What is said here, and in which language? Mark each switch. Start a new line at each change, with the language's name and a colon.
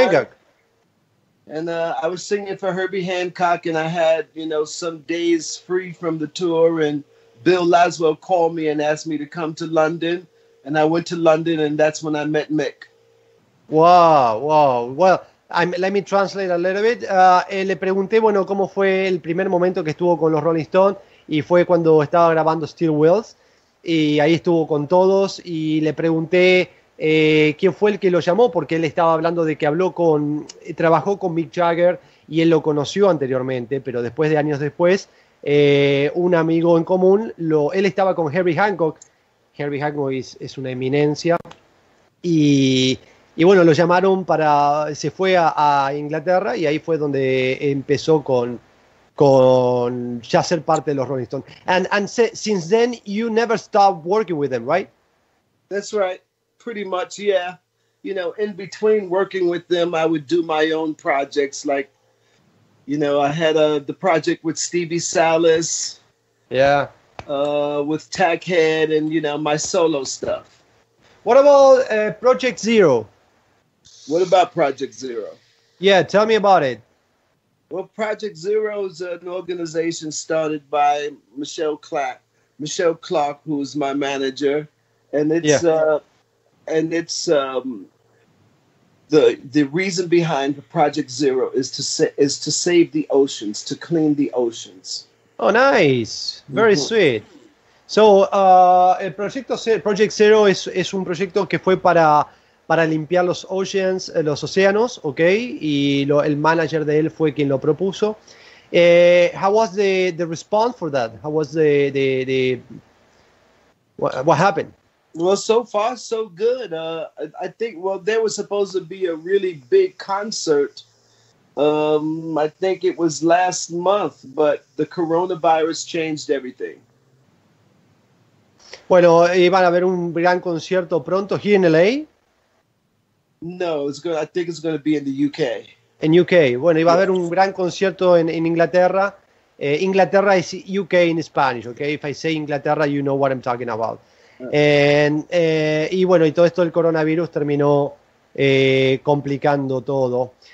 English: Herbie Hancock. And I was singing for Herbie Hancock, and I had, you know, some days free from the tour, and Bill Laswell called me and asked me to come to London, and I went to London, and that's when I met Mick. Wow. Well, let me translate a little bit.
Spanish: Le pregunté, bueno, cómo fue el primer momento que estuvo con los Rolling Stones, y fue cuando estaba grabando Steel Wheels, y ahí estuvo con todos, y le pregunté, ¿quién fue el que lo llamó? Porque él estaba hablando de que trabajó con Mick Jagger y él lo conoció anteriormente, pero después de años después, un amigo en común, él estaba con Herbie Hancock. Herbie Hancock es una eminencia. Y bueno, lo llamaron se fue a Inglaterra y ahí fue donde empezó con ya ser parte de los Rolling Stones.
English: And since then, you never stopped working with them, right? That's right. Pretty much, yeah. You know, in between working with them, I would do my own projects. Like, you know, I had the project with Stevie Salas. Yeah. With Tackhead and, you know, my solo stuff. What about Project Zero? What about Project Zero? Yeah, tell me about it. Well, Project Zero is an organization started by Michelle Clark, who's my manager. And it's... And it's the reason behind Project Zero is to save the oceans, to clean the oceans. Oh, nice. Very mm-hmm. sweet.
Spanish: So, Project Zero es un proyecto que fue para limpiar los océanos, okay? Y el manager de él fue quien lo propuso.
English: How was the response for that? How was the what happened? Well, so far, so good. I think, well, there was supposed to be a really big concert. I think it was last month, but the coronavirus changed everything.
Spanish: Bueno, ¿iban a haber un gran concierto pronto
English: here in LA? No, I think it's going to be in the UK. In UK.
Spanish: Bueno, iba a haber un gran concierto en Inglaterra.
English: Inglaterra is UK in Spanish, okay? If I say Inglaterra, you know what I'm talking about.
Spanish: Y todo esto del coronavirus terminó complicando todo.